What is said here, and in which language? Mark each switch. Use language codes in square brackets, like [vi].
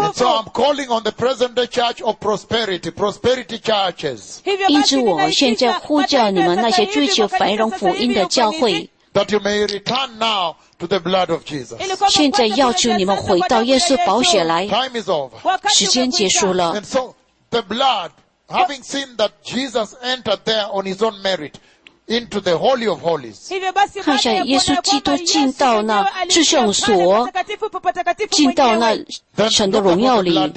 [en] And so I'm calling on the present day church of prosperity, prosperity churches. [zh] 因此我现在呼叫你们那些追求繁荣福音的教会。 [en] That you may return now to the blood of Jesus. [zh] 现在要求你们回到耶稣宝血来。 [en] Time is over. [zh] 时间结束了。 [en] And so the blood, having seen that Jesus entered there on his own merit, into the Holy of Holies. [zh] 看一下耶稣基督进到那至圣所，进到那神的荣耀里。